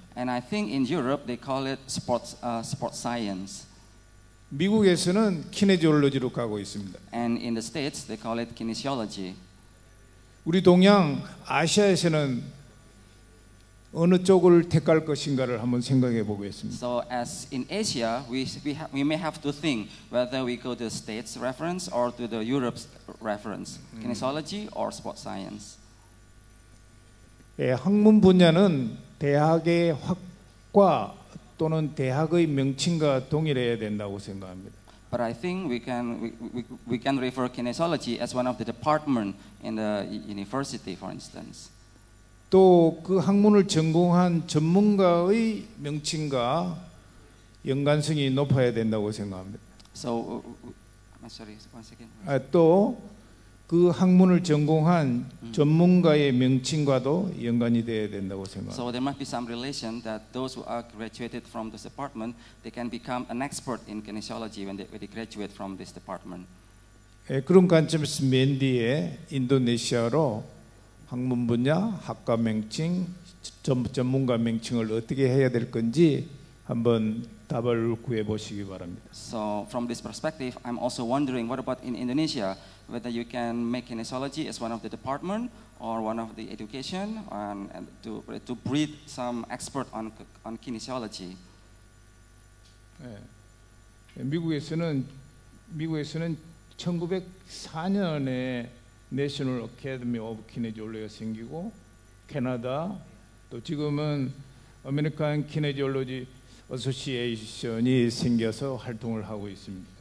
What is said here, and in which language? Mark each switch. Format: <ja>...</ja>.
<en>And I think in Europe they call it sports science.</en> <ko>미국에서는 kinesiology로 가고 있습니다.</ko> <en>And in the States, they call it kinesiology.</en> <ko>우리 동양 아시아에서는 어느 쪽을 택할 것인가를 한번 생각해 보겠습니다.</ko> <en>So as in Asia, we may have to think whether we go to the States reference or to the Europe's reference, kinesiology or sports science.</en> <ko>예, 학문 분야는 대학의 학과 또는 대학의 명칭과 동일해야 된다고 생각합니다.</ko> <en>But I think we can refer kinesiology as one of the department in the university, for instance.</en> <ko>또 그 학문을 전공한 전문가의 명칭과 연관성이 높아야 된다고 생각합니다.</ko> <en>So, I'm sorry, one second.</en> <ko>아, 또 그 학문을 전공한 전문가의 명칭과도 연관이 되어야 된다고 생각합니다.</ko> <en>So there might be some relation that those who are graduated from this department, they can become an expert in kinesiology when they graduate from this department.</en> <ko>예, 그런 관점에서 맨 뒤에 인도네시아로 학문 분야, 학과 명칭, 전문가 명칭을 어떻게 해야 될 건지 한번 답을 구해 보시기 바랍니다.</ko> <en>So from this perspective, I'm also wondering what about in Indonesia? Whether you can make kinesiology as one of the department or one of the education, and to breed some expert on kinesiology.</en> <ko>네. 미국에서는 1904년에 National Academy of Kinesiology가 생기고 캐나다 또 지금은 American Kinesiology Association이 생겨서 활동을 하고 있습니다.</ko>